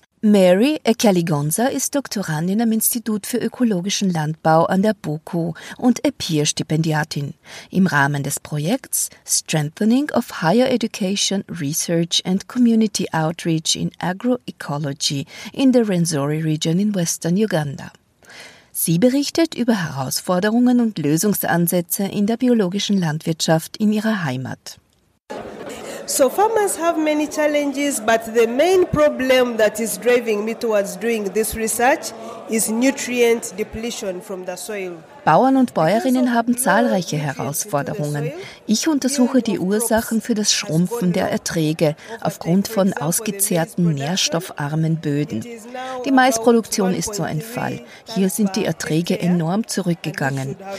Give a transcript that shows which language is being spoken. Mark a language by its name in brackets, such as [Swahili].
[German] Mary Ekeligonza ist Doktorandin am Institut für ökologischen Landbau an der BOKU und EPIR-Stipendiatin im Rahmen des Projekts Strengthening of Higher Education, Research and Community Outreach in Agroecology in the Rwenzori Region in Western Uganda. Sie berichtet über Herausforderungen und Lösungsansätze in der biologischen Landwirtschaft in ihrer Heimat. [English] So farmers have many challenges, but the main problem that is driving me towards doing this research is nutrient depletion from the soil. [German] Bauern und Bäuerinnen haben zahlreiche Herausforderungen. Ich untersuche die Ursachen für das Schrumpfen der Erträge aufgrund von ausgezehrten, nährstoffarmen Böden. Die Maisproduktion ist so ein Fall. Hier sind die Erträge enorm zurückgegangen.